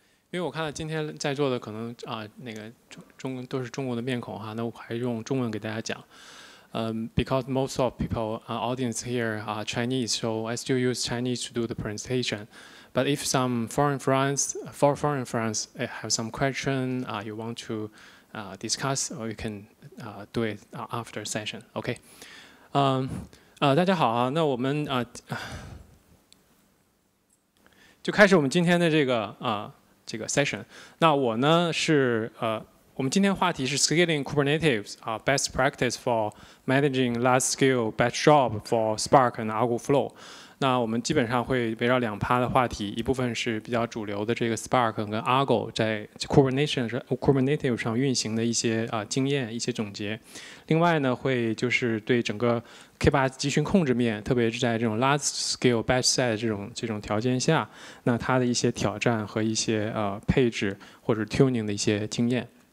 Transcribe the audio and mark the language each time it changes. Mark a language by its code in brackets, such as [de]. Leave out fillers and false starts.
[zh] 因为我看今天在座的可能啊，那个中都是中国的面孔哈，那我还用中文给大家讲。 [en] Because most of people, audience here are Chinese, so I still use Chinese to do the presentation. But if some foreign friends have some question, you want to discuss, or you can do it after session. Okay. [zh] 大家好啊，那我们啊就开始我们今天的这个 session。那我呢是我们今天话题是 Scaling Kubernetes, Best Practice for Managing Large Scale Batch Job for Spark and AlgoFlow。那我们基本上会围绕两趴的话题，一部分是比较主流的这个 Spark 跟 Algo 在 Kubernetes 上运行的一些经验，一些总结。另外呢，会就是对整个 K8 集群控制面，特别是在这种 Large Scale Batch Size 这种条件下，那它的一些挑战和一些配置或者 Tuning 的一些经验。